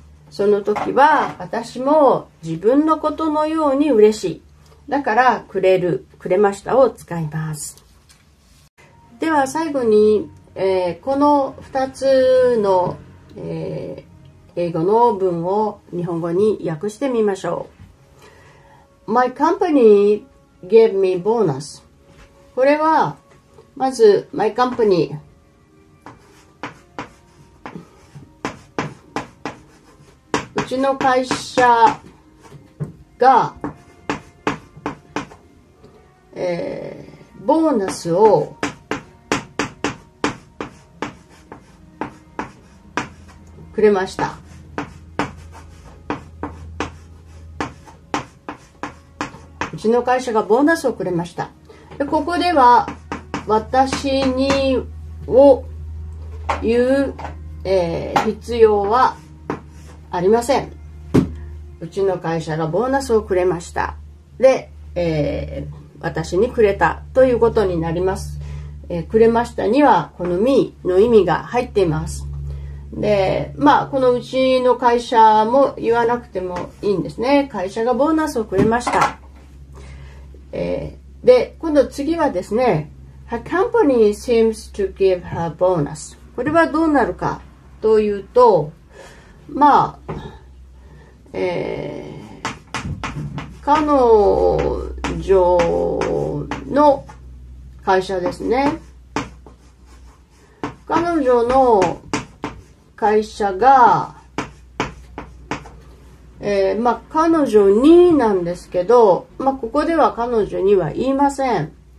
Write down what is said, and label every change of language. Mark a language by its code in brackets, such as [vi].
[ja] その時は私も自分のことのように嬉しい。だからくれる、くれましたを使います。では最後に、この2つの、英語の文を日本語に訳してみましょう。 [en] My company gave me bonus. [ja] これはまず [en] My company [ja] うちの会社が、ボーナスを売れました。うちの会社がボーナスをくれました。でここでは私にを言う、必要はありません。うちの会社がボーナスをくれました。で、私にくれたということになります。くれましたにはこの me の意味が入っています。で、まあ、このうちの会社も言わなくてもいいんですね。会社がボーナスをくれました。で、今度次はですね、 [en] Her company seems to give her bonus. [ja] これはどうなるかというと、まあ、彼女の会社ですね。彼女の会社が、まあ、彼女になんですけど、まあ、ここでは彼女には言いません。